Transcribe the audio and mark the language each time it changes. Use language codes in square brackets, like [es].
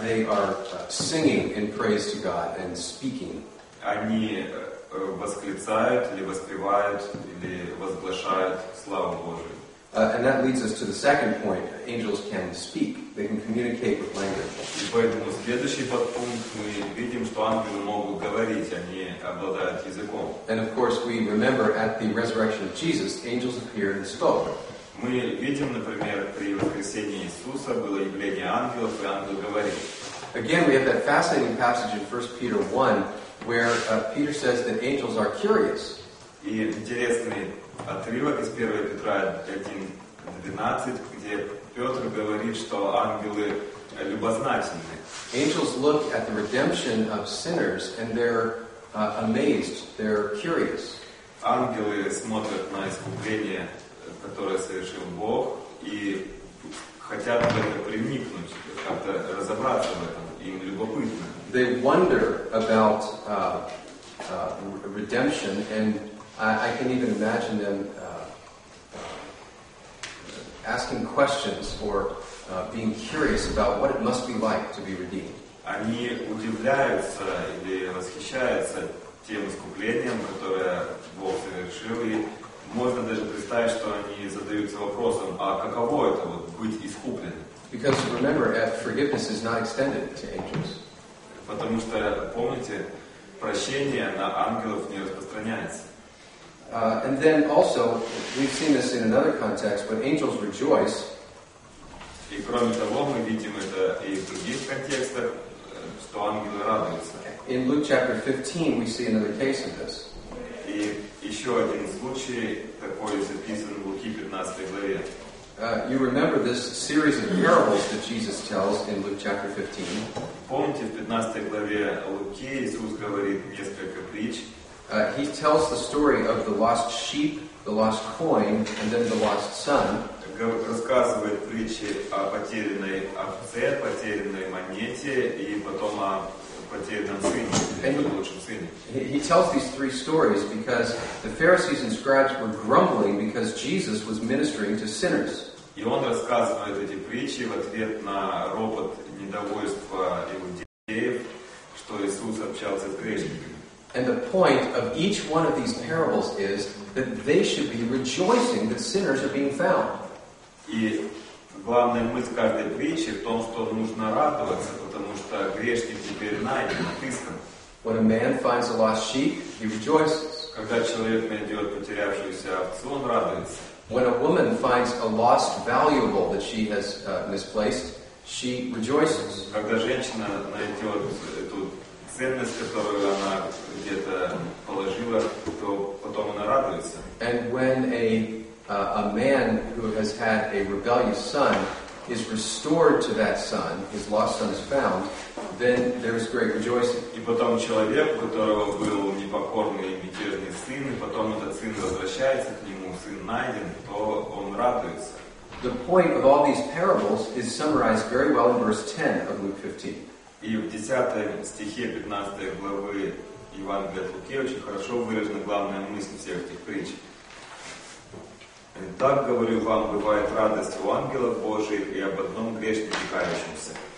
[en] They are singing in praise to God and speaking. [ru] Они восклицают или воспевают или возглашают славу Божию. [en] And that leads us to the second point. Angels can speak. They can communicate with language. [ru] И поэтому следующий подпункт, мы видим, что ангелы могут говорить, они обладают языком. [en] And of course, we remember at the resurrection of Jesus, angels appeared and spoke. [ru] Мы видим, например, при воскресении Иисуса было явление ангелов, и ангел говорит. [en] Again, we have that fascinating passage in 1 Peter 1, where Peter says that angels are curious. [ru] И интересный отрывок из 1 Петра 1:12, где Петр говорит, что ангелы любознательны. [en] Angels look at the redemption of sinners and they're amazed, they're curious. [ru] Ангелы смотрят на искупление, которое совершил Бог, и хотят как-то приникнуть, как-то разобраться в этом, им любопытно. [en] They wonder about redemption and I can even imagine them asking questions or being curious about what it must be like to be redeemed. [ru] Они удивляются или восхищаются тем искуплением, которое Бог совершил, и можно даже представить, что они задаются вопросом, а каково это вот быть искупленным? [en] Because remember, forgiveness is not extended to angels. [ru] Потому что помните, прощение на ангелов не распространяется. [en] And then also, we've seen this in another context, but angels rejoice. [ru] И кроме того, мы видим это и в других контекстах, что ангелы радуются. [en] In Luke chapter 15, we see another case of this. [ru] И еще один случай такой записан в Луки 15 главе. [en] You remember this series of parables that Jesus tells in Luke chapter 15. [ru] Помните, в 15 главе Луки Иисус говорит несколько притч. [en] He tells the story of the lost sheep, the lost coin, and then the lost son. [ru] Рассказывает притчи о потерянной овце, потерянной монете и потом о потерянном сыне, или лучшем сыне. [en] He tells these three stories because the Pharisees and scribes were grumbling because Jesus was ministering to sinners. [ru] И он рассказывает эти притчи в ответ на ропот недовольства иудеев, что Иисус общался с грешниками. [en] And the point of each one of these parables is that they should be rejoicing that sinners are being found. [ru] И главная мысль каждой притчи в том, что нужно радоваться, потому что грешник теперь найден, отыскан. [en] When a man finds a lost sheep, he rejoices. [ru] Когда человек найдет потерявшуюся овцу, он радуется. [en] When a woman finds a lost valuable that she has misplaced, she rejoices. [ru] Когда женщина найдет эту ценность, которую она где-то положила, то потом она радуется. [en] And when a man who has had a rebellious son is restored to that son, his lost son is found, then there is great rejoicing. [ru] И потом человек, у которого был непокорный и мятежный сын, и потом этот сын возвращается к нему, сын найден, то он радуется. [en] The point of all these parables is summarized very well in verse 10 of Luke 15. [ru] И в 10 стихе 15 главы Евангелия от Луки очень хорошо выражена главная мысль всех этих притч. Так говорю вам, бывает радость у ангелов Божиих и об одном грешнике кающемся.